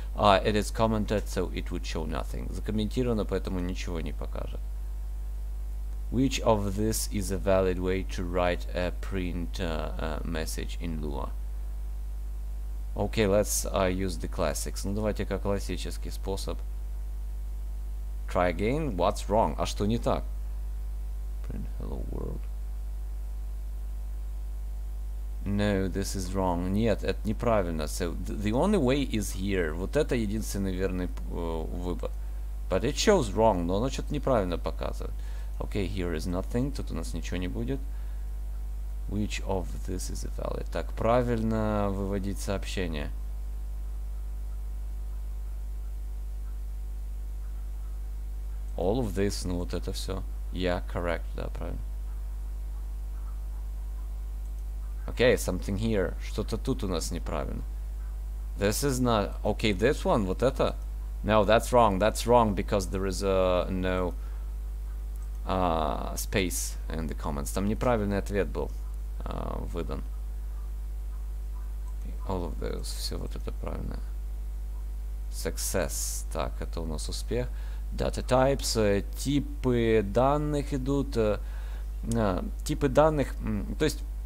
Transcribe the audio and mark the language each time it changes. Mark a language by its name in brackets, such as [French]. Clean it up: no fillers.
[English] It is commented, so it would show nothing. [Russian] Закомментировано, поэтому ничего не покажет. [English] Which of this is a valid way to write a print message in Lua? Okay, let's use the classics. [Russian] Ну, давайте-ка классический способ. [English] Try again. What's wrong? [Russian] А что не так? [English] Print hello world. No, this is wrong. [Russian] Нет, это неправильно. [English] So, the only way is here. [Russian] Вот это единственный верный выбор. [English] But it shows wrong. [Russian] Но оно что-то неправильно показывает. [English] Okay, here is nothing. [Russian] Тут у нас ничего не будет. [English] Which of this is valid? [Russian] Так, правильно выводить сообщение. [English] All of this. [Russian] Ну, вот это все. [English] Yeah, correct. [Russian] Да, правильно. [English] Okay, something here. [Russian] Что-то тут у нас неправильно. [English] This is not... Okay, this one, [Russian] вот это? [English] No, that's wrong. That's wrong because there is no space in the comments. [Russian] Там неправильный ответ был выдан. [English] All of those. [Russian] Все вот это правильно. [English] Success. [Russian] Так, это у нас успех. [English] Data types. [Russian] Типы данных идут. Типы данных... То есть...